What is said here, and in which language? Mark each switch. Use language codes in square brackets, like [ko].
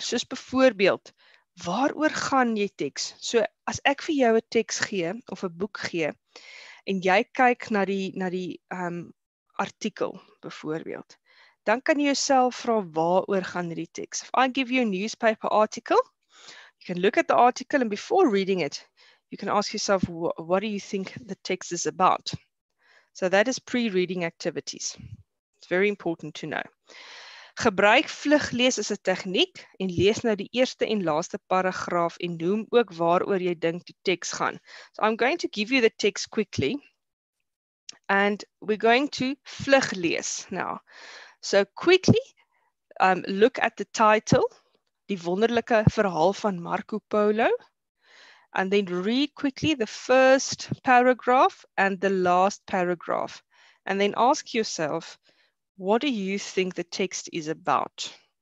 [af] Soos byvoorbeeld, waaroor gaan jy teks? So as ek vir jou 'n teks gee of 'n boek gee, en jy kyk na die artikel byvoorbeeld, dan kan jy jouself vra waaroor gaan die teks. [en] If I give you a newspaper article, you can look at the article and before reading it, you can ask yourself what do you think the text is about. So that is pre-reading activities. It's very important to know. [af] Gebruik vlug lees as 'n tegniek en lees nou die eerste en laaste paragraaf en noem ook waaroor jy dink die teks gaan. [en] So I'm going to give you the text quickly and we're going to vlug lees now. So quickly, look at the title, die wonderlike verhaal van Marco Polo, and then read quickly the first paragraph and the last paragraph and then ask yourself, what do you think the text is about?